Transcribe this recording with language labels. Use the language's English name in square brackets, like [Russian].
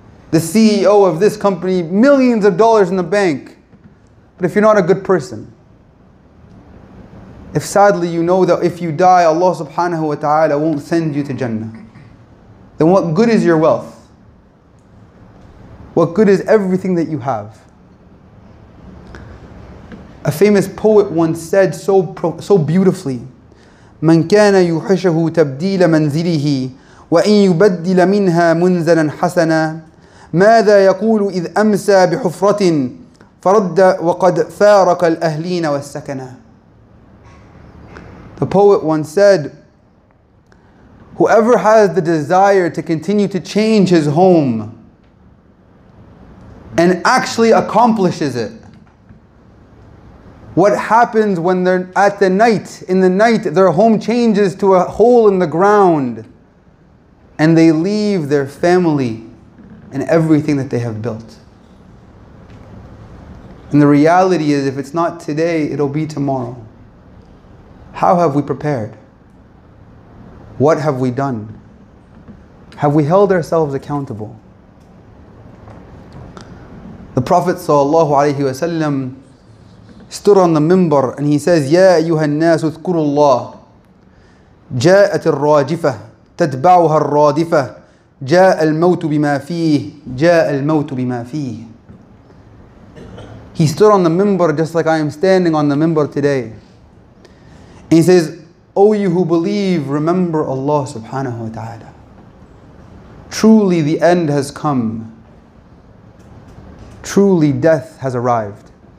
[English] The CEO of this company, millions of dollars in the bank, but if you're not a good person, if sadly you know that if you die, Allah subhanahu wa ta'ala won't send you to Jannah, then what good is your wealth? What good is everything that you have? A famous poet once said so beautifully, [Arabic] مَنْ كَانَ يُحِشَهُ تَبْدِيلَ مَنْزِلِهِ وَإِنْ يُبَدِّلَ مِنْهَا مُنْزَلًا حَسَنًا مَاذَا يَقُولُ إِذْ أَمْسَى بِحُفْرَةٍ فَرَدَّ وَقَدْ فَارَقَ الْأَهْلِينَ وَالسَّكَنَا. [English] The poet once said, whoever has the desire to continue to change his home and actually accomplishes it, what happens when they're at the night, in the night, their home changes to a hole in the ground and they leave their family and everything that they have built. And the reality is, if it's not today, it'll be tomorrow. How have we prepared? What have we done? Have we held ourselves accountable? The Prophet sallallahu alaihi wasallam stood on the minbar and he says, [Arabic] يَا أَيُّهَا النَّاسُ اذْكُرُوا اللَّهِ جَاءَتِ الرَّاجِفَةِ تَتْبَعُهَا الرَّادِفَةِ جَاءَ الْمَوْتُ بِمَا فِيهِ جَاءَ الْمَوْتُ بِمَا فِيهِ. [English] He stood on the minbar just like I am standing on the minbar today. And he says, O you who believe, remember Allah subhanahu wa ta'ala. Truly the end has come. Truly death has arrived.